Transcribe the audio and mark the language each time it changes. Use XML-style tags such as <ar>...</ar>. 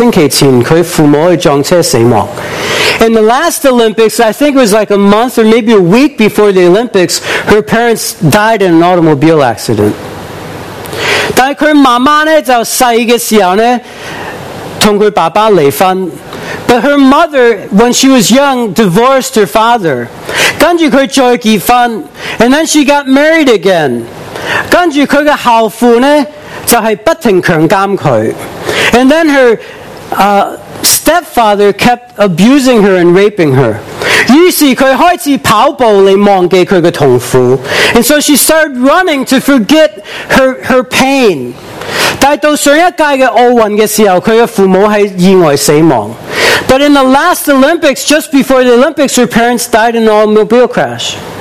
<zh>她上一届的奥运的时候，刚刚那届之前，不知是一个月，但是一个星期前，她父母撞车死亡。</zh> <en>In the last Olympics, I think it was like a month or maybe a week before the Olympics, her parents died in an automobile accident.</en> <zh>但是她妈妈呢，就小的时候呢， 跟她爸爸离婚,</zh> <en>but her mother, when she was young, divorced her father.</en> <zh>跟着她再结婚,</zh> <en>and then she got married again.</en> <zh>跟着她的后父呢，就是不停强奸她。</zh> <en>And then her stepfather kept abusing her and raping her.</en> <zh>于是她开始跑步来忘记她的痛苦。</zh> <en>And so she started running to forget her pain.</en> <zh>但到上一届的奥运的时候，她的父母在意外死亡。</zh> <en>But in the last Olympics, just before the Olympics, her parents died in an automobile crash.</en>